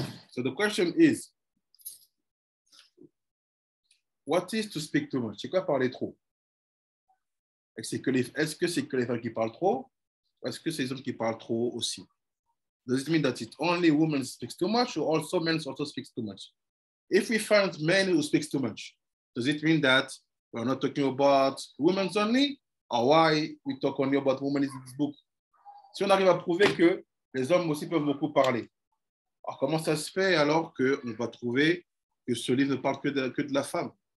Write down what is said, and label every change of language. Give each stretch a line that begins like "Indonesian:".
English: So the question is, what is to speak too much?
French: C'est quoi parler trop? Est-ce que c'est que les femmes qui parlent trop? Ou est-ce que c'est les hommes qui parlent trop aussi?
English: Does it mean that it only women speaks too much, or also men also speaks too much? If we find men who speaks too much, does it mean that we're not talking about women only? Or why we talk only about women in this book?
French: Si on arrive à prouver que les hommes aussi peuvent beaucoup parler, alors comment ça se fait alors qu'on va trouver que ce livre ne parle que de la femme?